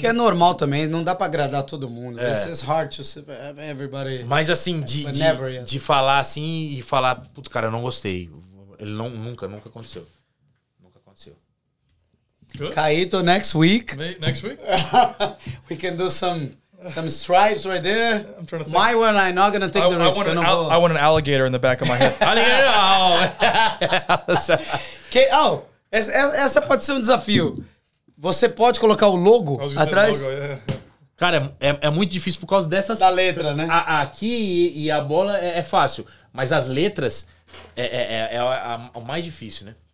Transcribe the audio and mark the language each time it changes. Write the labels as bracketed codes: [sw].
[pt] Que é normal também, não dá pra agradar todo mundo. [en] It's hard to see everybody. [pt] Mas assim, de falar assim e falar, putz, cara, eu não gostei. Ele não, nunca aconteceu. Nunca aconteceu. [en] Good. Caíto, next week. Next week? We can do some stripes right there. I'm trying to think. My one, I'm not going to take the risk. I want an alligator in the back of my head. Alligator? Oh! [pt] essa pode ser um desafio. Você pode colocar o logo atrás? Logo, Cara, é muito difícil por causa dessas... Da letra, né? Aqui e a bola é fácil. Mas as letras é o mais difícil, né?